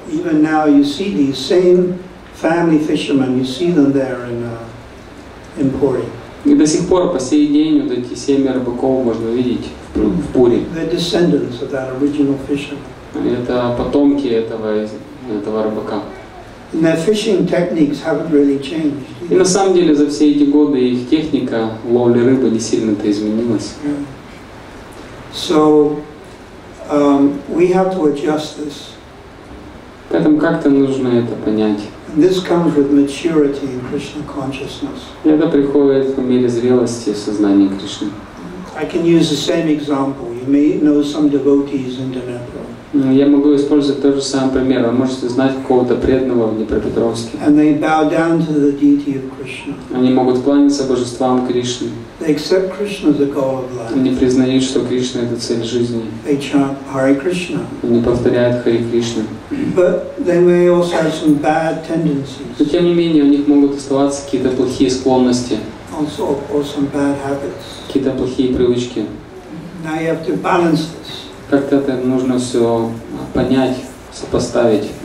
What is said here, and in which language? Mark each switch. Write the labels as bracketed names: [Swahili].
[English] Even now you see these same family fishermen, you see them there in Puri. [Russian] И до сих пор, по сей день, вот эти семьи рыбаков можно видеть в Пури. [English] They're descendants of that original fisherman. [Russian] Это потомки этого рыбака. [English] And their fishing techniques haven't really changed. [Russian] И на самом деле за все эти годы их техника ловли рыбы не сильно-то изменилась. [English] So, we have to adjust this. [Russian] Поэтому как-то нужно это понять. [English] And this comes with maturity in Krishna consciousness. [Russian] Это приходит в мере зрелости сознания Кришны. [English] I can use the same example. You may know some devotees in Dnipro. [Russian] Я могу использовать тот же самый пример. Вы можете знать какого-то преданного в Днепропетровске. [English] And they bow down to the deity of Krishna. [Russian] Они могут кланяться божествам Кришны. [English] They accept Krishna as the goal of life. [Russian] Они признают, что Кришна — это цель жизни. [English] They chant Hare Krishna. [Russian] Они повторяют Харе Кришна. [English] But they may also have some bad tendencies. [Russian] Но тем не менее у них могут оставаться какие-то плохие склонности. [English] Also, or some bad habits. [Russian] Какие-то плохие привычки. [English] Now you have to balance this. [Russian] Как-то это нужно все понять, сопоставить.